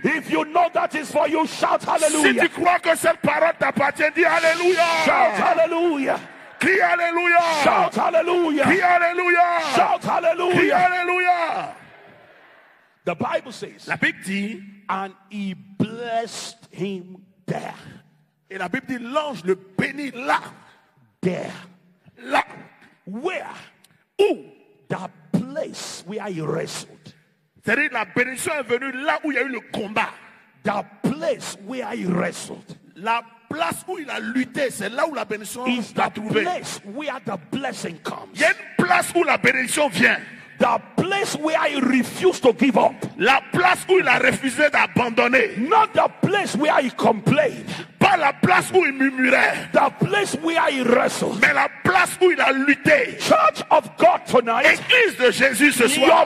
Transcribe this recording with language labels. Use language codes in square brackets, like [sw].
[en] If you know that is for you, shout hallelujah. [fr] Si tu crois que cette parole t'appartient, dis alléluia. [en] Shout hallelujah. [fr] Crie alléluia. [en] Shout hallelujah. [fr] Crie alléluia. [en] Shout hallelujah. [fr] Crie alléluia. [en] The Bible says. [fr] La Bible dit, [en] and he blessed him. There. [fr] Et la Bible dit l'ange le bénit là. [en] There. [fr] Là. [en] Where? [fr] Où? [en] The place where he wrestled. [fr] C'est-à-dire la bénédiction est venue là où il y a eu le combat. [en] The place where he wrestled. [fr] La place où il a lutté, c'est là où la bénédiction [en] is [fr] l'a trouvé. [en] Place where the blessing comes. [fr] Il y a une place où la bénédiction vient. [en] The place where he refused to give up. [fr] La place où il a refusé d'abandonner. [en] Not the place where he complained. [fr] Pas la place où il murmurait. [en] The place where he wrestled. [fr] Mais la place où il a lutté. [en] Church of God tonight. [fr] Église de Jésus ce soir.